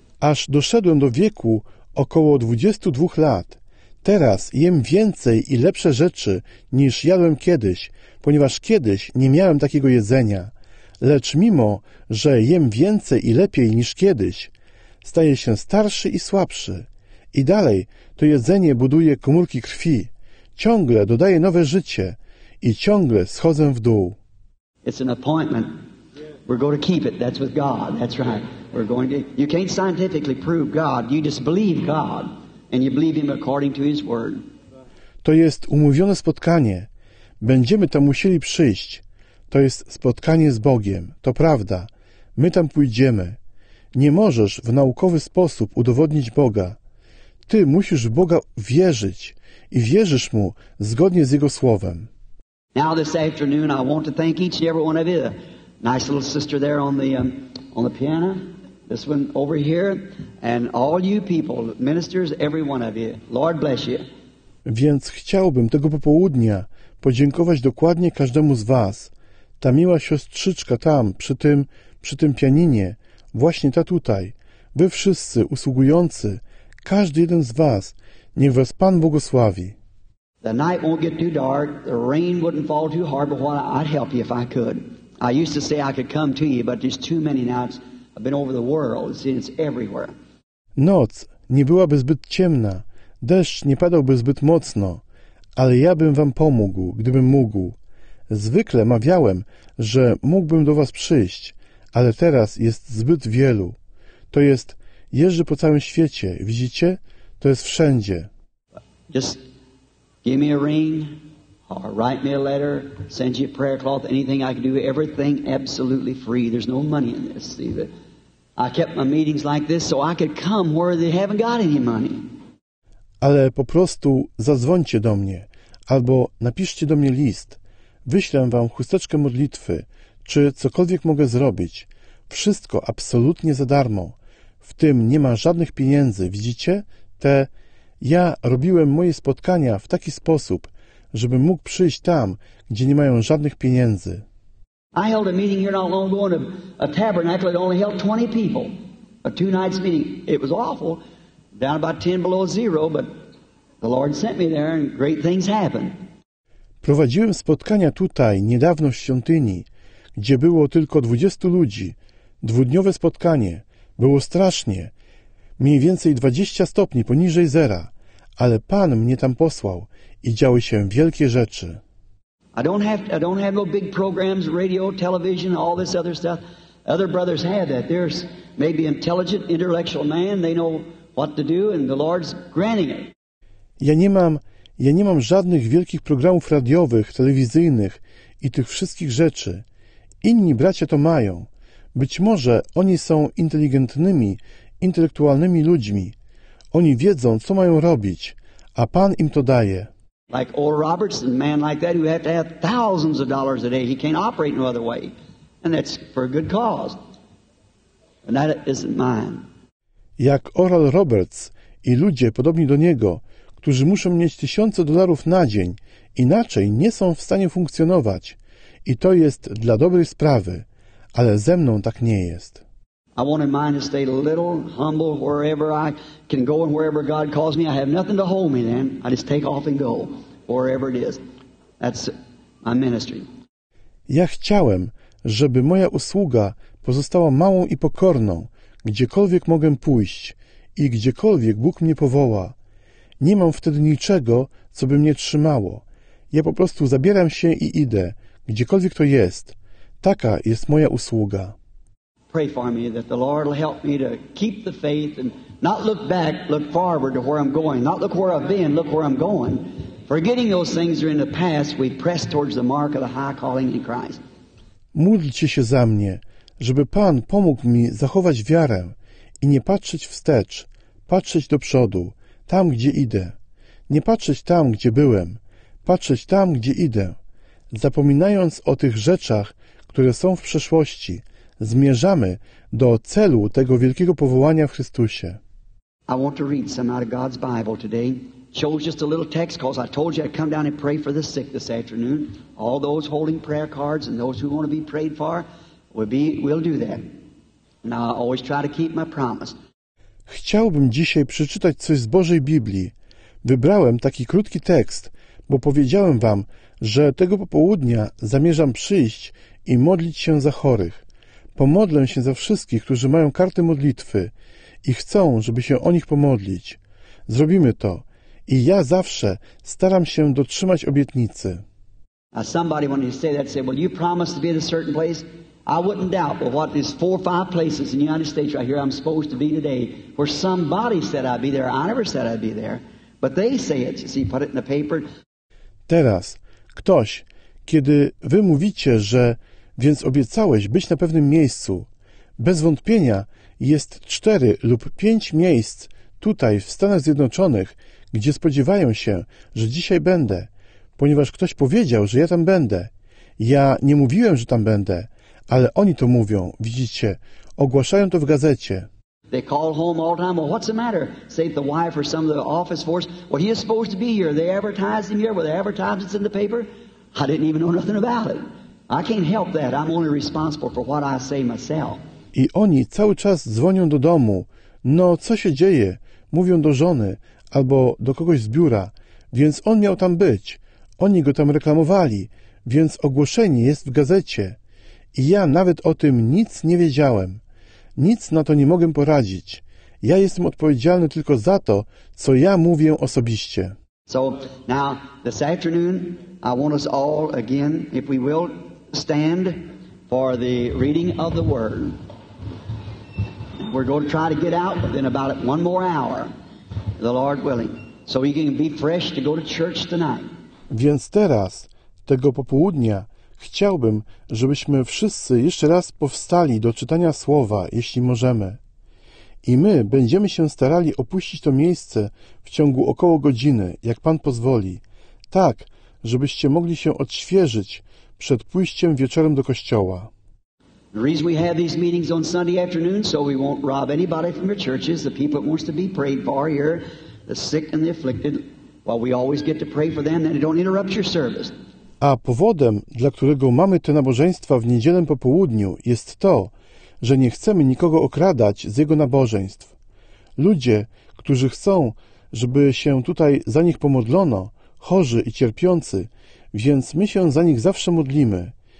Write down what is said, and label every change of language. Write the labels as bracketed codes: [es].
[pl] Aż doszedłem do wieku około 22 lat. Teraz jem więcej i lepsze rzeczy niż jadłem kiedyś, ponieważ kiedyś nie miałem takiego jedzenia. Lecz mimo, że jem więcej i lepiej niż kiedyś, staję się starszy i słabszy. I dalej to jedzenie buduje komórki krwi, ciągle dodaje nowe życie i ciągle schodzę w dół. [en] It's an appointment. We're going to keep it. That's with God. That's right. We're going to. You can't scientifically prove God. You just believe God. And you believe him according to his word. [pl] To jest umówione spotkanie. Będziemy tam musieli przyjść. To jest spotkanie z Bogiem. To prawda. My tam pójdziemy. Nie możesz w naukowy sposób udowodnić Boga. Ty musisz w Boga wierzyć i wierzysz mu zgodnie z jego słowem. [en] Now this afternoon I want to thank each and every one of you. Nice little sister there on the piano. This one over here, and all you people, ministers, every one of you, Lord bless you. [pl] Więc chciałbym tego popołudnia podziękować dokładnie każdemu z was. Ta miła siostrzyczka tam, przy tym pianinie, właśnie ta tutaj, wy wszyscy, usługujący, każdy jeden z was, niech was Pan błogosławi. [en] The night won't get too dark, the rain wouldn't fall too hard, but what I'd help you if I could. I used to say I could come to you, but there's too many now, I've been over the world, it's everywhere. [pl] Noc nie byłaby zbyt ciemna, deszcz nie padałby zbyt mocno, ale ja bym wam pomógł, gdybym mógł. Zwykle mawiałem, że mógłbym do was przyjść, ale teraz jest zbyt wielu. To jest, jeżdżę po całym świecie, widzicie? To jest wszędzie. [en] Just give me a ring, or write me a letter, send you a prayer cloth, anything I can do, everything absolutely free. There's no money in this, see, but I kept my meetings like this so I could come where they haven't got any money. [pl] Ale po prostu zadzwońcie do mnie, albo napiszcie do mnie list. Wyślę wam chusteczkę modlitwy, czy cokolwiek mogę zrobić. Wszystko absolutnie za darmo. W tym nie ma żadnych pieniędzy, widzicie? Ja robiłem moje spotkania w taki sposób, żebym mógł przyjść tam, gdzie nie mają żadnych pieniędzy. [en] I held a meeting here not long ago in a tabernacle that only held 20 people. A two nights meeting. It was awful. Down about 10 below zero, but the Lord sent me there and great things happened. [pl] Prowadziłem spotkania tutaj niedawno w świątyni, gdzie było tylko 20 ludzi. Dwudniowe spotkanie. Było strasznie. Mniej więcej 20 stopni poniżej zera. Ale Pan mnie tam posłał i działy się wielkie rzeczy. [en] I don't have no big programs, radio, television, all this other stuff. Other brothers have that. There's maybe intelligent, intellectual man. They know what to do, and the Lord's granting it. [pl] Ja nie mam Ja nie mam żadnych wielkich programów radiowych, telewizyjnych i tych wszystkich rzeczy. Inni bracia to mają. Być może oni są inteligentnymi, intelektualnymi ludźmi. Oni wiedzą, co mają robić, a Pan im to daje. [en] Like Oral Roberts, a man like that who had to have thousands of dollars a day. He can't operate no other way. And that's for a good cause. And that isn't mine. [pl] Jak Oral Roberts i ludzie podobni do niego, którzy muszą mieć tysiące dolarów na dzień, inaczej nie są w stanie funkcjonować. I to jest dla dobrej sprawy, ale ze mną tak nie jest. [en] I wanted mine to stay little, humble, wherever I can go and wherever God calls me. I have nothing to hold me then. I just take off and go, wherever it is. That's my ministry. [pl] Ja chciałem, żeby moja usługa pozostała małą i pokorną, gdziekolwiek mogę pójść i gdziekolwiek Bóg mnie powoła. Nie mam wtedy niczego, co by mnie trzymało. Ja po prostu zabieram się i idę, gdziekolwiek to jest. Taka jest moja usługa. [en] Pray for me that the Lord will help me to keep the faith and not look back, look forward to where I'm going. Not look where I've been, look where I'm going. Forgetting those things that are in the past, we press towards the mark of the high calling in Christ. [pl] Módlcie się za mnie, żeby Pan pomógł mi zachować wiarę i nie patrzeć wstecz, patrzeć do przodu, tam, gdzie idę. Nie patrzeć tam, gdzie byłem, patrzeć tam, gdzie idę, zapominając o tych rzeczach, które są w przeszłości. Zmierzamy do celu tego wielkiego powołania w Chrystusie. [en] I want to read some out of God's Bible today. Chose just a little text because I told you I'd come down and pray for the sick this afternoon. All those holding prayer cards and those who want to be prayed for, we'll do that. And I always try to keep my promise. [pl] Chciałbym dzisiaj przeczytać coś z Bożej Biblii. Wybrałem taki krótki tekst, bo powiedziałem wam, że tego popołudnia zamierzam przyjść i modlić się za chorych. Pomodlę się za wszystkich, którzy mają karty modlitwy i chcą, żeby się o nich pomodlić. Zrobimy to. I ja zawsze staram się dotrzymać obietnicy. [en] Somebody when you say that said, well, you promised to be in a certain place. I wouldn't doubt, but what is four or five places in the United States right here I'm supposed to be today, where somebody said I'd be there. I never said I'd be there. But they say it, you see, put it in the paper. [pl] Teraz ktoś, kiedy wy mówicie, że więc obiecałeś być na pewnym miejscu. Bez wątpienia jest 4 lub 5 miejsc tutaj w Stanach Zjednoczonych, gdzie spodziewają się, że dzisiaj będę, ponieważ ktoś powiedział, że ja tam będę. Ja nie mówiłem, że tam będę, ale oni to mówią, widzicie, ogłaszają to w gazecie. [en] They call home all the time. Well, what's the matter? Say the wife or some of the office force. Well, he is supposed to be here. They advertised him here. Well, they advertised it in the paper. I didn't even know nothing about it. I can't help that. I'm only responsible for what I say myself. [pl] I oni cały czas dzwonią do domu. No, co się dzieje? Mówią do żony albo do kogoś z biura. Więc on miał tam być. Oni go tam reklamowali. Więc ogłoszenie jest w gazecie. I ja nawet o tym nic nie wiedziałem. Nic na to nie mogę poradzić. Ja jestem odpowiedzialny tylko za to, co ja mówię osobiście. [en] So now this afternoon I want us all again, if we will, stand for the reading of the word. We're going to try to get out within about one more hour, the Lord willing, so we can be fresh to go to church tonight. [pl] Więc teraz, tego popołudnia, chciałbym, żebyśmy wszyscy jeszcze raz powstali do czytania słowa, jeśli możemy. I my będziemy się starali opuścić to miejsce w ciągu około godziny, jak Pan pozwoli. Tak, żebyście mogli się odświeżyć przed pójściem wieczorem do kościoła. [en] The reason we have these meetings on Sunday afternoon so we won't rob anybody from your churches, the people that wants to be prayed for here, the sick and the afflicted, while we always get to pray for them and it don't interrupt your service. [pl] A powodem, dla którego mamy te nabożeństwa w niedzielę po południu, jest to, że nie chcemy nikogo okradać z jego nabożeństw. Ludzie, którzy chcą, żeby się tutaj za nich pomodlono, chorzy i cierpiący, więc my się za nich zawsze modlimy.